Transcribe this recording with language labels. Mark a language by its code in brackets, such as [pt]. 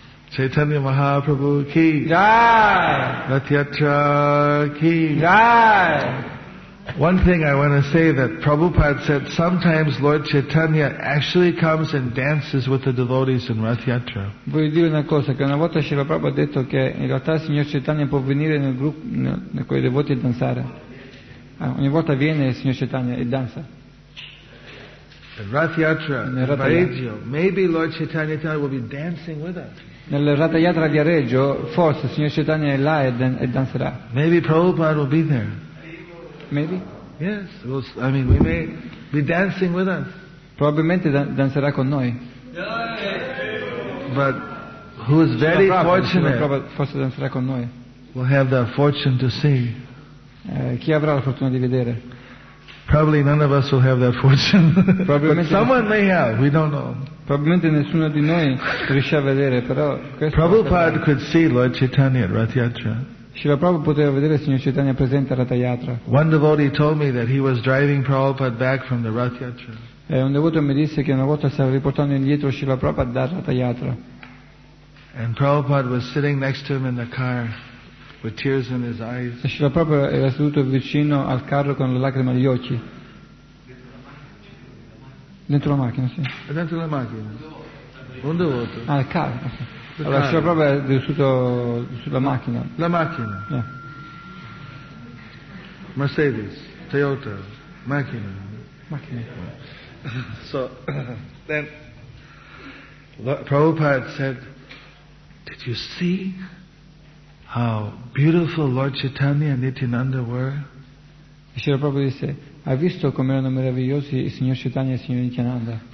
[hi] Chaitanya Mahaprabhu ki jai. Ratyatra ki jai. [en] One thing I want to say that Prabhupada said sometimes Lord Chaitanya actually comes and dances with the devotees in Rath Yatra. [it] Voglio dire una cosa, che una volta Srila Prabhupada ha detto che in realtà il signor Chaitanya può venire nel gruppo con I devoti e danzare. Ogni volta viene il signor Chaitanya e danza. [en] In Rath Yatra, in Viareggio, maybe Lord Chaitanya will be dancing with us. [it] Nel Rath Yatra Viareggio, forse il signor Chaitanya è là e danzerà. [en] Maybe Prabhupada will be there. Maybe. Yes. I mean, we may be dancing with us. [it] Probabilmente danzerà con noi. [en] But who is very fortunate? [it] Forse danzerà con noi. [en] Will have the fortune to see. [it] Chi avrà la fortuna di vedere? [en] Probably none of us will have that fortune. But someone may have. We don't know. [it] Probabilmente nessuno di noi riuscirà a vedere, però. [en] Prabhupada could see Lord Chaitanya at Rath Yatra. [it] Srila Prabhupada poteva vedere il signor Chaitanya presente a Rath Yatra. [en] One devotee told me that he was driving Prabhupada back from the Rath Yatra. [it] E un devoto mi disse che una volta stava riportando indietro Srila Prabhupada da Rath Yatra. [en] And Prabhupada was sitting next to him in the car with tears in his eyes. [it] E Srila Prabhupada era seduto vicino al carro con le lacrime agli occhi. Dentro la macchina, sì. Dentro la macchina. Un devoto. Al carro. Allora, c'era proprio vissuto sulla macchina. La macchina. [en] Yeah. [it] Mercedes, Toyota, macchina. Macchina. [en] So, then, Prabhupada said, did you see how beautiful Lord Chaitanya and Nityananda were? [it] E Srila Prabhupada disse: hai visto come erano meravigliosi il signor Chaitanya e il signor Nityananda?